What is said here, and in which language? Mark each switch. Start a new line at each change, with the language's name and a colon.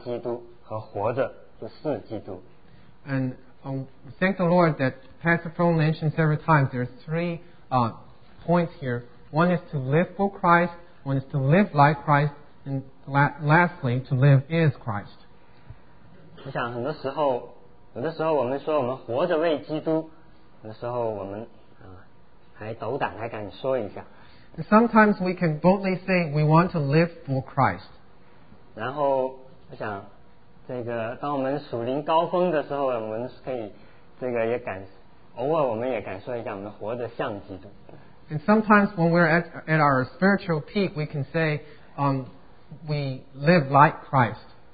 Chinese: 感谢主，冯牧师也一直几次的信息里面也提到三点，讲到活着是为基督，活着像基督和活着就是基督。
English: And thank the Lord that Pastor Phil mentioned several times. There are three points here. One is to live for Christ, one is to live like Christ, and lastly, to live is Christ.
Chinese: 我想很多时候，有的时候我们说我们活着为基督，有的时候我们还斗胆还敢说一下。
English: Sometimes we can boldly say we want to live for Christ.
Chinese: 然后我想。这个当我们属灵高峰的时候，我们可以这个也感，偶尔我们也感受一下，我们活得像基督。
English: And sometimes when we're at our spiritual peak, we can say, we live like Christ.